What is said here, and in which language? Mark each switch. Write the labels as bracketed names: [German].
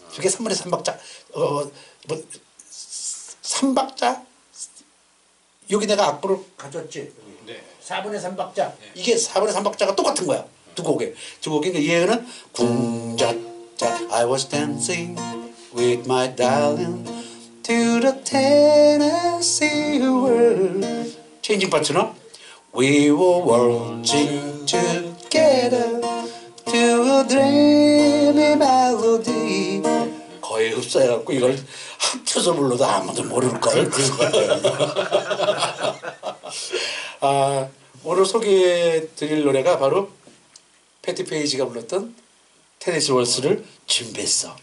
[Korean] 두 개 3분의 3박자 뭐 3박자 여기 내가 악보를 가져왔지. 네. 4분의 3박자 네. 이게 4분의 3박자가 똑같은 거야. 두 곡에 두 곡에 얘는 궁자자 [English] I was dancing with my darling to the Tennessee world. Changing partner. We were waltzing together to a dreamy melody. [Korean] 거의 흡사해갖고 이걸 합쳐서 불러도 아무도 모를걸. 아, 오늘 소개해 드릴 노래가 바로 패티 페이지가 불렀던 테니스 월스를 준비했어.